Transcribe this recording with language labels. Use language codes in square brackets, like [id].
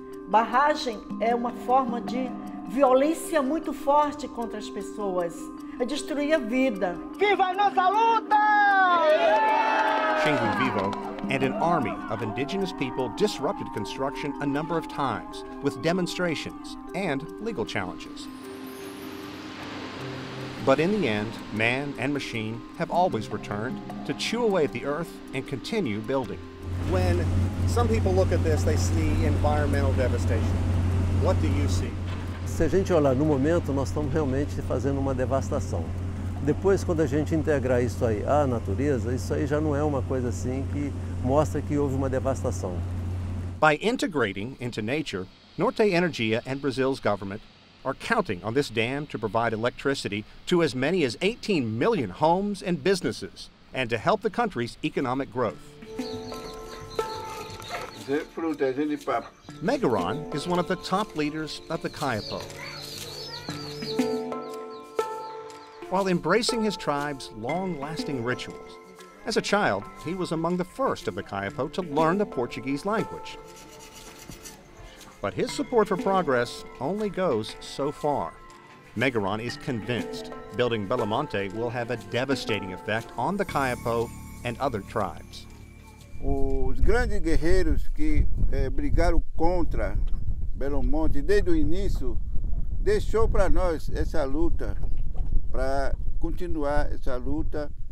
[pt] Barragem é uma forma de violência muito forte contra as pessoas. É destruir a vida. Viva a nossa luta! [en] Xingu Vivo and an army of indigenous people disrupted construction a number of times with demonstrations and legal challenges. But in the end, man and machine have always returned to chew away at the earth and continue building. When some people look at this, they see environmental devastation. What do you see? [pt] Se a gente olhar no momento, nós estamos realmente fazendo uma devastação. Depois, quando a gente integrar isso aí à natureza, isso aí já não é uma coisa assim que mostra que houve uma devastação. [en] By integrating into nature, Norte Energia and Brazil's government are counting on this dam to provide electricity to as many as 18 million homes and businesses and to help the country's economic growth. Megaron is one of the top leaders of the Kayapo. While embracing his tribe's long-lasting rituals, as a child, he was among the first of the Kayapo to learn the Portuguese language. But his support for progress only goes so far. Megaron is convinced building Belamonte will have a devastating effect on the Kayapo and other tribes. [pt] Os grandes guerreiros que brigaram contra Belamonte desde o início deixou para nós essa luta, para continuar essa luta.